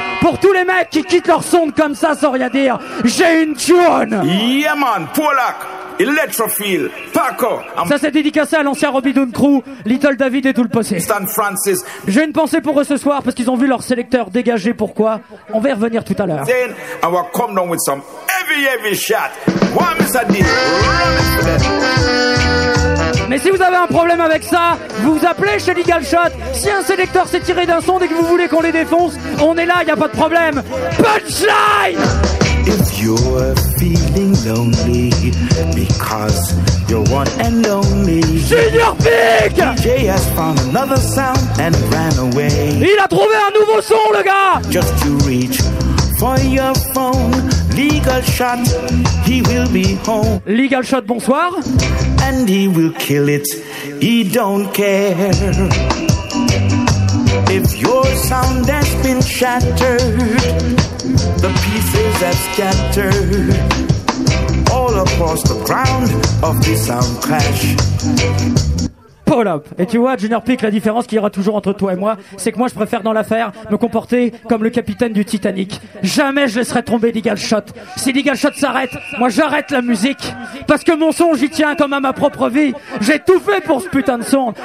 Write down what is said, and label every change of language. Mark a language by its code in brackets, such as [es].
[fr] Pour tous les mecs qui quittent leur sound comme ça, sans rien dire, j'ai une tune. [en] Yeah, man. Pollock, Electrophile, Paco. [fr] Ça c'est dédicacé à l'ancien Robin Hood Crew, Little David et tout le posse. Stan Francis. J'ai une pensée pour eux ce soir parce qu'ils ont vu leur sélecteur dégager. Pourquoi? On va y revenir tout à l'heure. [en] Then I will come down with some heavy shot. One is a deal. [fr] Mais si vous avez un problème avec ça, vous vous appelez chez Legal Shot. Si un sélecteur s'est tiré d'un son et que vous voulez qu'on les défonce, on est là, il n'y a pas de problème. [en] Punchline! If you're feeling lonely because you're one and only, Junior Peak! DJ has found another sound and ran away. [fr] Il a trouvé un nouveau son, le gars! [en] Just to reach for your phone, Legal Shot, he will be home. [fr] Legal Shot, bonsoir. [en] And he will kill it, he don't care. If your sound has been shattered, the pieces have scattered all across the ground of the sound clash. Pull up. [fr] Et tu vois, Junior Peak, la différence qu'il y aura toujours entre toi et moi, c'est que moi, je préfère dans l'affaire me comporter comme le capitaine du Titanic. Jamais je laisserai tomber Legal Shot. Si Legal Shot s'arrête, moi, j'arrête la musique. Parce que mon son, j'y tiens comme à ma propre vie. J'ai tout fait pour ce putain de son.